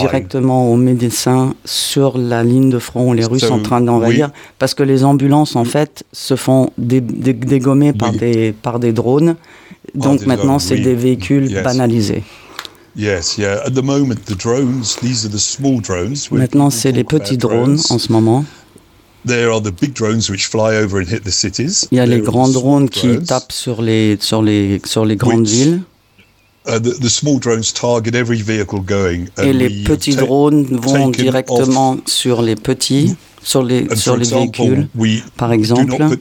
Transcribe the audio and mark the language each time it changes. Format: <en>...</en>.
<fr>Directement aux médecins sur la ligne de front où les Russes sont en train d'envahir, parce que les ambulances en fait se font dégommer par des drones, donc maintenant c'est des véhicules banalisés.</fr> <en>Yes, yeah. At the moment, the drones. These are the small drones.</en> <fr>Maintenant, c'est les petits drones en ce moment.</fr> <en>There are the big drones which fly over and hit the cities.</en> <fr>Il y a les grands drones qui tapent sur les grandes villes.</fr> <en>The small drones target every vehicle going.</en> <fr>Et les petits drones vont directement sur les petits, sur les véhicules. Par exemple.</fr>